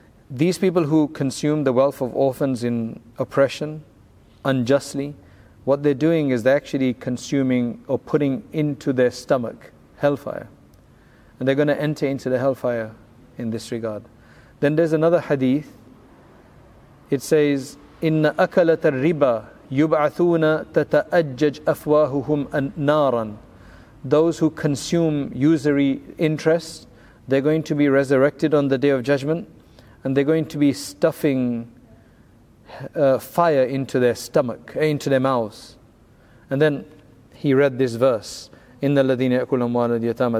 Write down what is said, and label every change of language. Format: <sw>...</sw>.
<en>These people who consume the wealth of orphans in oppression, unjustly, what they're doing is they're actually consuming or putting into their stomach hellfire. And they're going to enter into the hellfire in this regard. Then there's another hadith. It says,</en> <ar>إِنَّ أَكَلَتَ الرِّبَى يُبْعَثُونَ تَتَأَجَّجْ أَفْوَاهُهُمْ نَارًا.</ar> <en>Those who consume usury interest, they're going to be resurrected on the Day of Judgment, and they're going to be stuffing fire into their stomach, into their mouths. And then he read this verse,</en> <ar>إِنَّ الَّذِينَ يَأْكُلُ أَمْوَالَ الْيَتَامَى.</ar>